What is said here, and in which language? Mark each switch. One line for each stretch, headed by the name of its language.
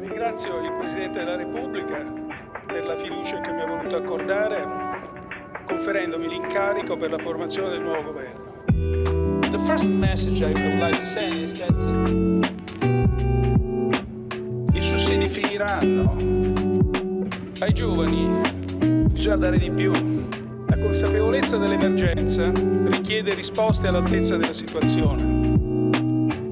Italian: Ringrazio il Presidente della Repubblica per la fiducia che mi ha voluto accordare, conferendomi l'incarico per la formazione del nuovo governo.
English: The first message I would like to send is that
Italian: i sussidi finiranno. Ai giovani bisogna dare di più. La consapevolezza dell'emergenza richiede risposte all'altezza della situazione.